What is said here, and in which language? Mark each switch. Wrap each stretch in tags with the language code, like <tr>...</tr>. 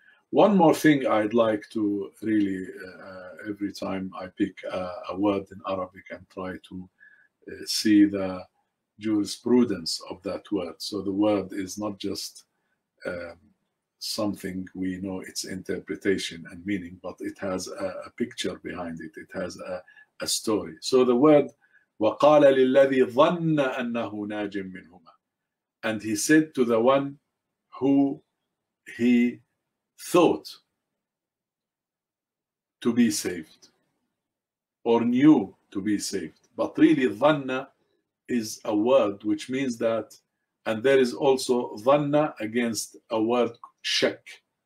<en>One more thing I'd like to really, every time I pick a word in Arabic and try to see the jurisprudence of that word. So the word is not just something we know its interpretation and meaning, but it has a picture behind it. It has a story. So the word,</en> <ar>وَقَالَ لِلَّذِي ظَنَّ أَنَّهُ نَاجٍ مِّنْهُمَا.</ar> <en>And he said to the one who he thought to be saved, or knew to be saved. But really, dhanna is a word which means that, and there is also dhanna against a word shak.</en>